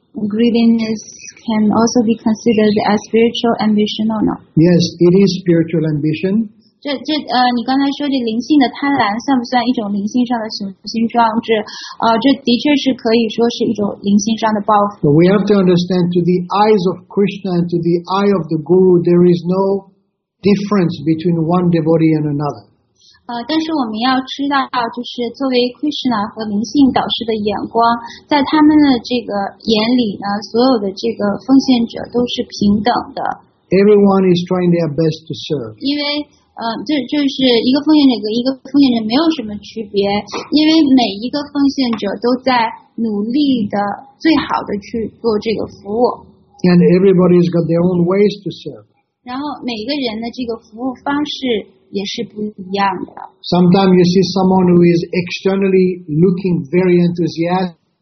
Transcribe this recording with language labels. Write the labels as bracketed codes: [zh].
[en] Greediness can also be considered as spiritual ambition or not? Yes, it is spiritual ambition. [zh] 你刚才说的灵性的贪婪算不算一种灵性上的雄心壮志？这的确是可以说是一种灵性上的抱负。 [en] But we have to understand, to the eyes of Krishna and to the eye of the Guru, there is no difference between one devotee and another. [zh] 但是我们要知道，就是作为 Krishna 和灵性导师的眼光，在他们的这个眼里呢，所有的这个奉献者都是平等的。 [en] Everyone is trying their best to serve. [zh] 因为就是一个奉献者跟一个奉献者没有什么区别，因为每一个奉献者都在努力的最好的去做这个服务。 [en] And everybody's got their own ways to serve. [zh] 然后每一个人的这个服务方式。也是不一样的。 [en] Sometimes you see someone who is externally looking very enthusiastic.